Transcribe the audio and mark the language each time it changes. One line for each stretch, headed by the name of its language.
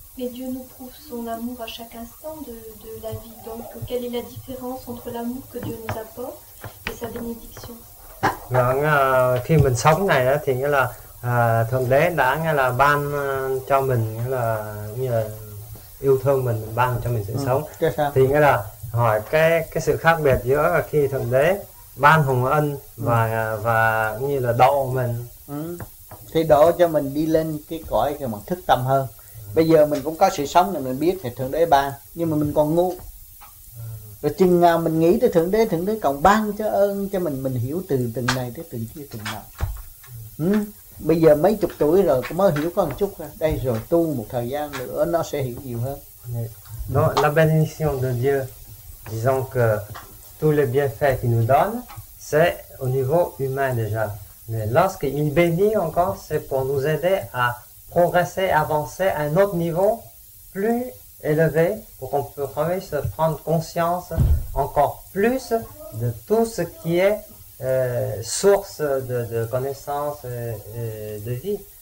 French: Mais Dieu nous prouve son amour à chaque instant de la vie. Donc, quelle est la différence entre l'amour que Dieu nous apporte et sa bénédiction?
Vietnamese: Donc, khi mình sống này thì nghĩa là Thượng Đế đã nghĩa là ban cho mình nghĩa là như là yêu thương mình, ban cho mình sự sống. Thì nghĩa là hỏi cái sự khác biệt giữa khi Thượng Đế ban hồng ân và như là độ mình. Thì độ cho mình đi lên cái cõi cái mà thức tâm hơn. Bây giờ mình cũng có sự sống thì mình biết thì Thượng Đế ban, nhưng mà mình còn ngu. Rồi chừng nào mình nghĩ tới Thượng Đế, Thượng Đế còn ban cho ơn cho mình hiểu từ từng này tới từng kia từng nào. Bây giờ mấy chục tuổi rồi cũng mới hiểu có một chút thôi. Đây rồi tu một thời gian nữa nó sẽ hiểu nhiều hơn.
French: Donc la bénédiction de Dieu, disons que tous les bienfaits qu'il nous donne, c'est au niveau humain déjà. Mais lorsqu'il bénit encore, c'est pour nous aider à progresser, avancer à un autre niveau plus élevé, pour qu'on puisse se prendre conscience encore plus de tout ce qui est source de connaissances et de vie.